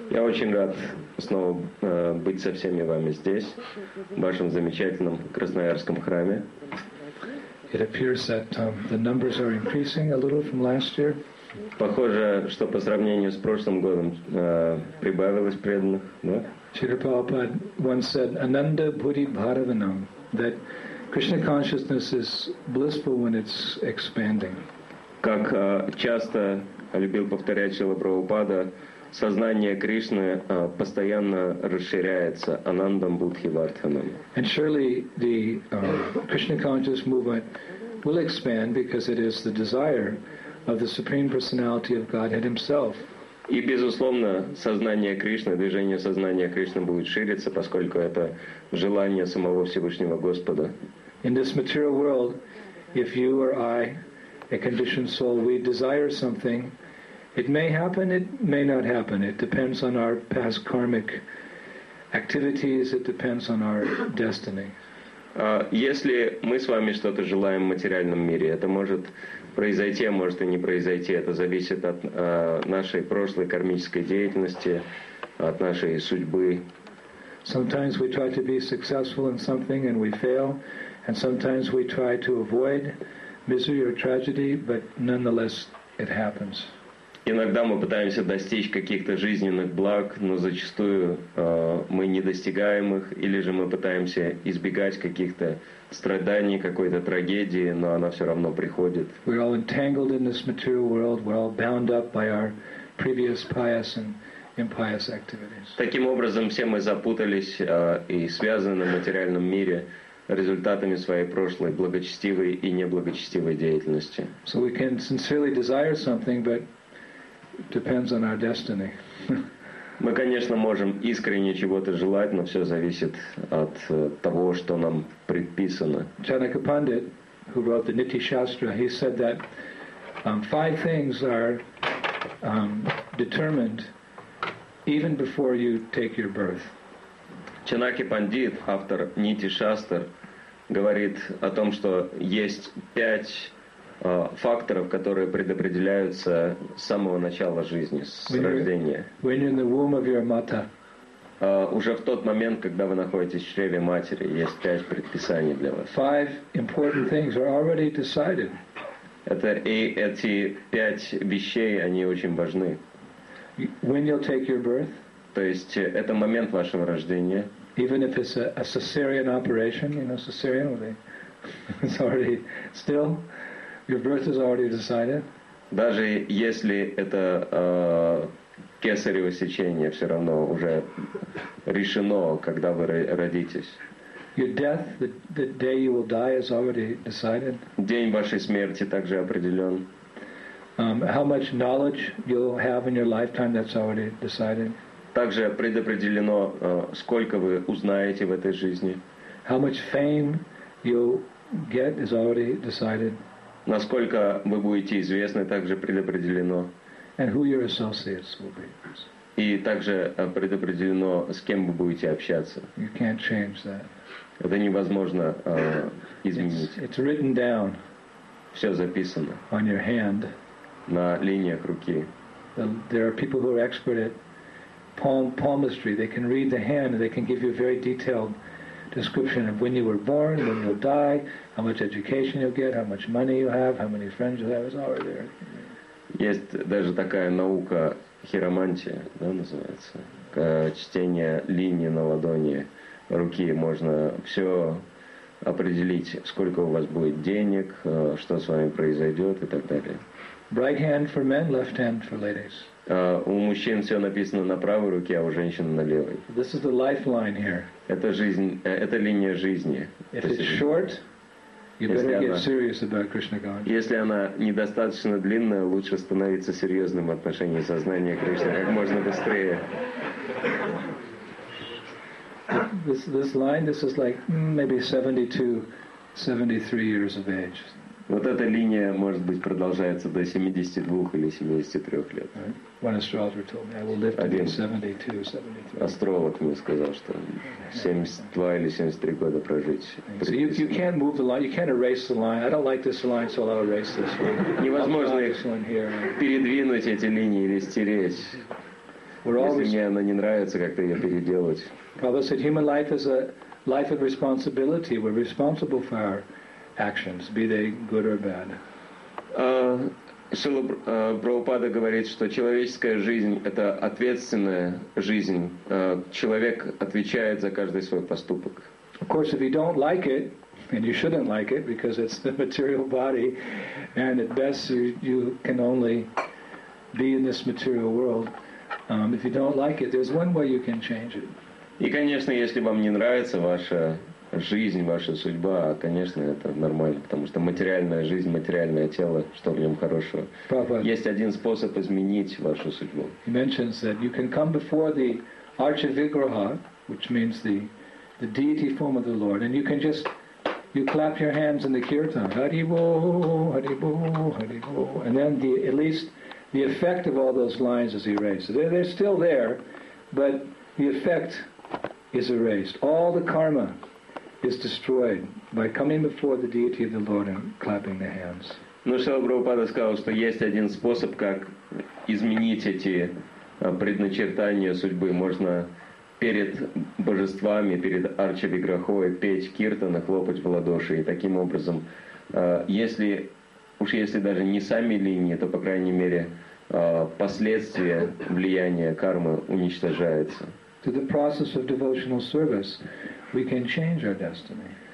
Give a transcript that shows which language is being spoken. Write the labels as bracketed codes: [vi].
[ru] Я очень рад снова быть со всеми вами здесь, в вашем замечательном Красноярском храме. [en] It appears that the numbers are increasing a little from last year. [ru] Похоже, что по сравнению с прошлым годом прибавилось преданных, да? [en] Śrīla Prabhupāda once said, [sa] "Ananda Bhuti Bhāravanam," [en] that Krishna consciousness is blissful when it's expanding. [ru] Как часто любил повторять Śrīla Prabhupāda, сознание Кришны постоянно расширяется [sa] Анандам Будхи Вартханам. [en] And surely the Krishna consciousness movement will expand because it is the desire of the Supreme Personality of Godhead Himself. [ru] И безусловно, сознание Кришны, движение сознания Кришны будет шириться, поскольку это желание самого Всевышнего Господа. [en] In this material world, if you or I, a conditioned soul, we desire something, it may happen, it may not happen. It depends on our past karmic activities, it depends on our destiny. [ru] Если мы с вами что-то желаем в материальном мире, это может произойти, а может и не произойти. Это зависит от нашей прошлой кармической деятельности, от нашей судьбы. [en] Sometimes we try to be successful in something and we fail, and sometimes we try to avoid misery or tragedy, but nonetheless it happens. [ru] Иногда мы пытаемся достичь каких-то жизненных благ, но зачастую мы не достигаем их, или же мы пытаемся избегать каких-то страданий, какой-то трагедии, но она все равно приходит. [en] We're all entangled in this material world. We're all bound up by our previous pious and impious activities. [ru] Таким образом, все мы запутались и связаны в материальном мире результатами своей прошлой благочестивой и неблагочестивой деятельности. [en] So we can sincerely desire something, but depends on our destiny. [ru] Мы, конечно, можем искренне чего-то желать, но все зависит от того, что нам предписано. [en] Chanaka Pandit, who wrote the Nitya Shastra, he said that five things are determined even before you take your birth. [ru] Chanaka Pandit, автор Nitya Shastra, говорит о том, что есть пять факторов, которые предопределяются с самого начала жизни, с рождения. [en] When you're in the womb of your mother. [ru] Уже в тот момент, когда вы находитесь в чреве матери, есть пять предписаний для вас. [en] Five important things are already decided. [ru] Эти пять вещей, они очень важны. [en] When you'll take your birth. [ru] То есть это момент вашего рождения. [en] Even if it's a cesarean operation, you know, cesarean, it's already still. Your birth is already decided. [ru] Даже если это кесарево сечение, все равно уже решено, когда вы родитесь. [en] Your death, the day you will die, is already decided. [ru] День вашей смерти также определен. [en] How much knowledge you'll have in your lifetime, that's already decided. [ru] Также предопределено, сколько вы узнаете в этой жизни. [en] How much fame you'll get is already decided. [ru] Насколько вы будете известны, также предопределено. [en] And who your associates will be. [ru] И также предопределено, с кем вы будете общаться. [en] You can't change that. [ru] Это невозможно изменить. [en] It's written down. [ru] Все записано. [en] On your hand. [ru] На линиях руки. [en] There are people who are expert at palmistry. They can read the hand and they can give you a very detailed description of when you were born, when you'll die, how much education you'll get, how much money you have, how many friends you have, is already there. [ru] Есть даже такая наука, хиромантия, да, называется, чтение линии на ладони руки, можно все определить, сколько у вас будет денег, что с вами произойдет и так далее. [en] Right hand for men, left hand for ladies. [ru] У мужчин все написано на правой руке, а у женщин на левой. [en] This is the lifeline here. [ru] Это линия жизни. [en] If it's short, you better get serious about Krishna consciousness. [ru] Если она недостаточно длинная, лучше становиться серьезным в отношении сознания Кришны как можно быстрее. [en] This line, this is like maybe 72-73 years of age. [ru] Вот эта линия, может быть, продолжается до 72 или 73 лет. Один астролог мне сказал, что 72 или 73 года прожить. Невозможно их передвинуть, эти линии, или стереть. [en] We're [ru] Если мне она не нравится, как-то ее переделать. [en] Prabhupada said, human life is a life of responsibility. We're responsible for our actions, be they good or bad. [ru] Шрила Прабхупада говорит, что человеческая жизнь – это ответственная жизнь. Человек отвечает за каждый свой поступок. [en] Of course, if you don't like it, and you shouldn't like it, because it's the material body, and at best you can only be in this material world, if you don't like it, there's one way you can change it. [ru] И, конечно, если вам не нравится ваша жизнь, ваша судьба, конечно, это нормально, потому что материальная жизнь, материальное тело, что в нем хорошего? [en] Prabhupada, [ru] есть один способ изменить вашу судьбу. [en] He mentions that you can come before the Archivigraha, which means the deity form of the Lord, and you can just, you clap your hands in the kirtan, Hari Bo, Hari Bo, Hari Bo, and then at least the effect of all those lines is erased. They're still there, but the effect is erased. All the karma is destroyed by coming before the deity of the Lord and clapping the hands. [ru] Ну, Шрила Прабхупада сказал, что есть один способ, как изменить эти предначертания судьбы. Можно перед божествами, перед Арчавиграхой петь киртана, хлопать в ладоши. И таким образом, если даже не сами линии, то, по крайней мере, последствия влияния кармы уничтожаются. [en] Through the process of devotional service, we can change our destiny.